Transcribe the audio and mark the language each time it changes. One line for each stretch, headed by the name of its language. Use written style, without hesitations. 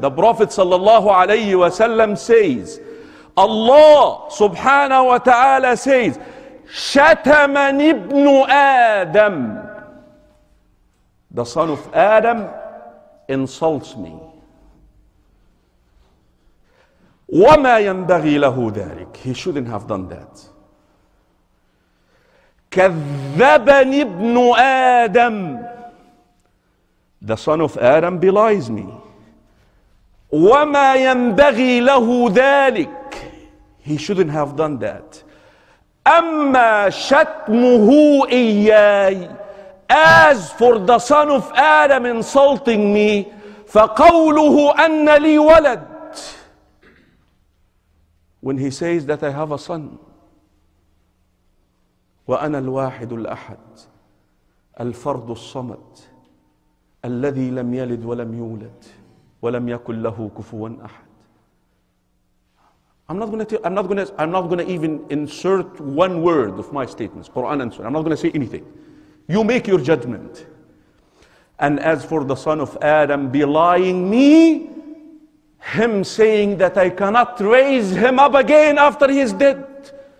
English: The Prophet
Arabic: صلى الله عليه وسلم
English: says, Allah
Arabic: سبحانه وتعالى
English: says,
Arabic: شتمن ابن آدم.
English: The son of Adam insults me.
Arabic: وما ينبغي له ذلك.
English: He shouldn't have done that.
Arabic: كذبني ابن آدم.
English: The son of Adam belies me.
Arabic: وما ينبغي له ذلك.
English: He shouldn't have done that.
Arabic: أما شتمه إياي.
English: As for the son of Adam insulting me,
Arabic: فقوله أن لي ولد.
English: When he says that I have a son,
Arabic: وأنا الواحد الأحد الفرد الصمد الذي لم يلد ولم يولد ولم يكن له كفوا أحد.
English: I'm not gonna even insert one word of my statements, Quran and Sunnah. I'm not gonna say anything. You make your judgment. And as for the son of Adam belying me, him saying that I cannot raise him up again after he is dead.